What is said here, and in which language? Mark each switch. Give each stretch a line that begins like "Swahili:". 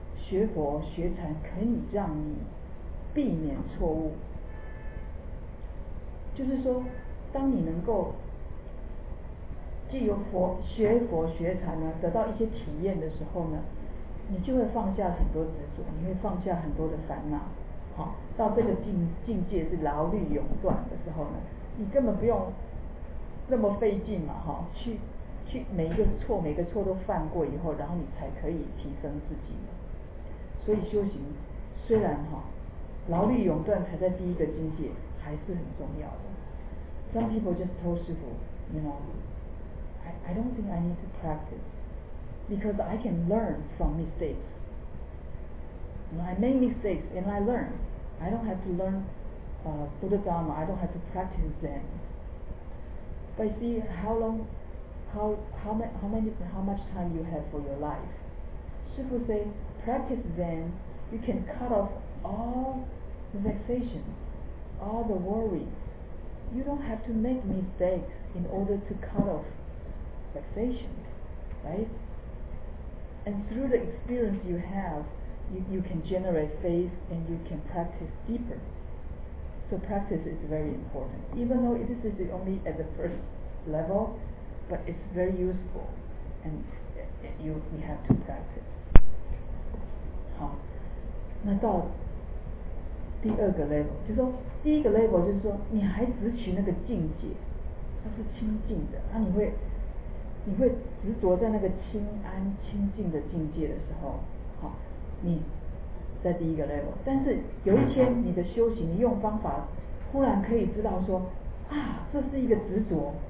Chinese: 学佛学禅可以让你避免错误，就是说当你能够藉由佛学佛学禅呢得到一些体验的时候呢，你就会放下很多执着，你会放下很多的烦恼，好，到这个 境界是劳虑永断的时候呢，你根本不用那么费劲嘛，哈，去每一个错每一个错都犯过以后，然后你才可以提升自己嘛。所以修行虽然哈劳虑永断才在第一个境界，还是很重要的。
English: Some people just told 师父 ，you know, I don't think I need to practice because I can learn from mistakes. I make mistakes and I learn. I don't have to learn Buddha Dharma. I don't have to practice them. But see how long, how much time you have for your life. 师父 say, practice Zen, you can cut off all the vexation, all the worries. You don't have to make mistakes in order to cut off vexation, right? And through the experience you have, you can generate faith and you can practice deeper. So practice is very important. Even though this is only at the firstlevel, but it's very useful, and you have to practice.
Chinese: 好，那到第二个 level， 就说第一个 level 就是说你还执取那个境界，它是清净的，那你会执着在那个清安清净的境界的时候，好，你在第一个 level， 但是有一天你的修行，你用方法，忽然可以知道说啊，这是一个执着。